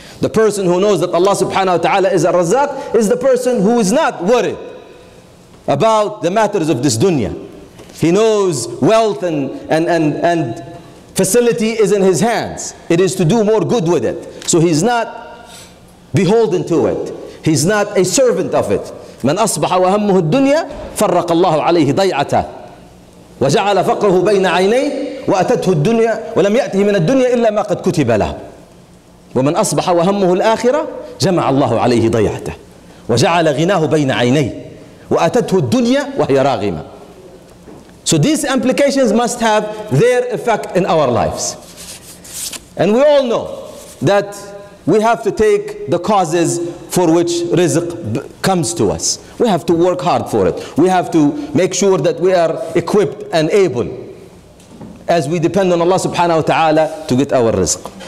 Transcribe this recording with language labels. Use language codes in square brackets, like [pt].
[en] The person who knows that Allah subhanahu wa ta'ala is al-Razzaq is the person who is not worried about the matters of this dunya. He knows wealth and facility is in his hands. It is to do more good with it. So he's not beholden to it. He's not a servant of it. [ar] من أصبح وهمه الدنيا فرق الله عليه ضيعته وجعل فقره بين عينيه وأتته الدنيا ولم يأته من الدنيا إلا ما قد كتب له ومن أصبح وهمه الآخرة جمع الله عليه ضيعته وجعل غناه بين عينيه وأتته الدنيا وهي راغمة. [en] So these implications must have their effect in our lives. And we all know that we have to take the causes for which rizq comes to us. We have to work hard for it. We have to make sure that we are equipped and able as we depend on Allah subhanahu wa ta'ala to get our rizq.